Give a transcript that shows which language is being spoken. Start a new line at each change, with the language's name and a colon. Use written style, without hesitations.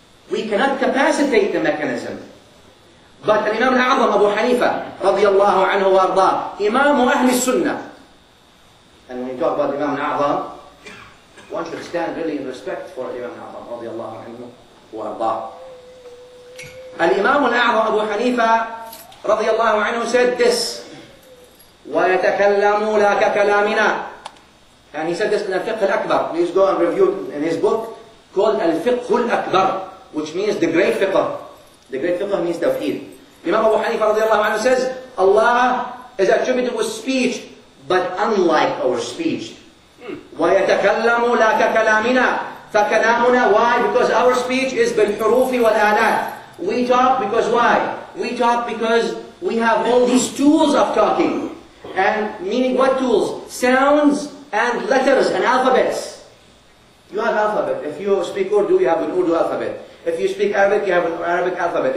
English: We cannot capacitate the mechanism. But Imam al-Azam Abu Hanifa radiyallahu anhu wa arda, Imam Ahli Sunnah. And when you talk about Imam al-Azam, one should stand really in respect for Imam al-Azam radiyallahu anhu wa arda.
Arabic: الإمام الأعظم أبو حنيفة رضي الله عنه
English: said this,
Arabic: ويتكلم لا ككلامنا.
English: And he said this in الفقه الأكبر. Please go and review in his book called الفقه الأكبر, which means the great fiqh. The great fiqh means تفهيد.
Arabic: الإمام أبو حنيفة رضي الله عنه
English: says, Allah is attributed with speech, but unlike our speech.
Arabic: ويتكلم لا ككلامنا فكلامنا.
English: Why? Because our speech is
Arabic: بالحروف والآلات.
English: We talk because why? We talk because we have all these tools of talking. And meaning what tools? Sounds and letters and alphabets. You have alphabet. If you speak Urdu, you have an Urdu alphabet. If you speak Arabic, you have an Arabic alphabet.